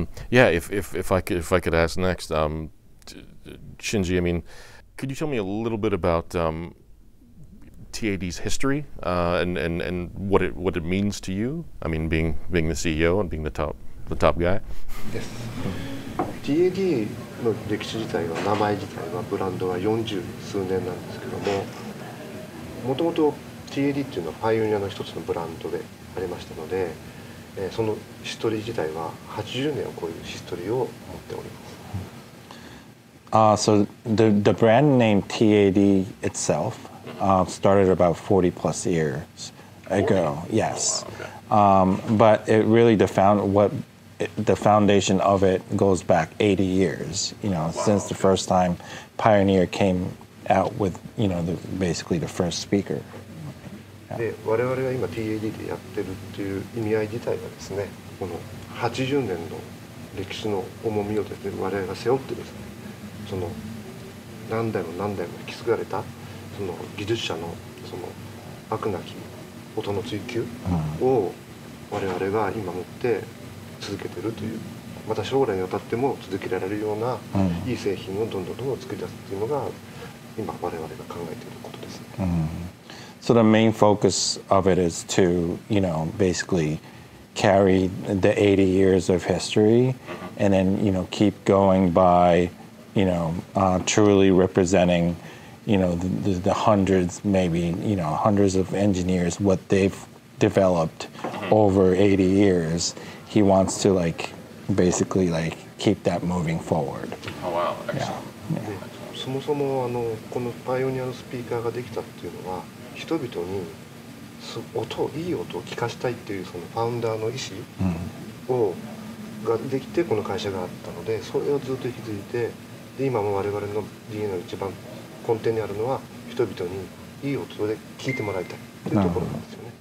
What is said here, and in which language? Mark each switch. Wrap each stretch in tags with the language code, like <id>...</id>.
<en>If I could ask next, Shinji, I mean, could you tell me a little bit about TAD's history and what it means to you? I mean, being the CEO and being the top guy. Yes.</en> <ja>TAD の歴史自体は名前自体はブランドは40数年なんですけども、もともと TAD っていうのはパイオニアの一つのブランドでありましたので。そのヒストリー自体は80年を超えるヒストリーを持っております。</ja> <en>So the brand name TAD itself started about 40 plus years ago. Yes. But it really the foundation of it goes back 80 years, you know, since the first time Pioneer came out with, you know, basically the first speaker.</en> <ja>で我々が今 TAD でやってるっていう意味合い自体はですね、この80年の歴史の重みをですね、我々が背負ってですね、その何代も何代も引き継がれたその技術者のその飽くなき音の追求を我々が今持って続けてるという、また将来にわたっても続けられるようないい製品をどんどん作り出すっていうのが今我々が考えていることですね。</ja> <en>So the main focus of it is to, you know, basically carry the 80 years of history and then, you know, keep going by, you know, truly representing, you know, the hundreds, maybe, you know, hundreds of engineers, what they've developed over 80 years. He wants to, like, basically, like, keep that moving forward. Oh, wow. Excellent. Yeah.</en> <ja>そもそもこのパイオニアのスピーカーができたっていうのは、人々に音を聞かしたいっていうそのファウンダーの意思をができてこの会社があったので、それをずっと引き継いで、で今も我々の DNA の一番根底にあるのは人々にいい音で聞いてもらいたいっていうところなんですよね。</ja>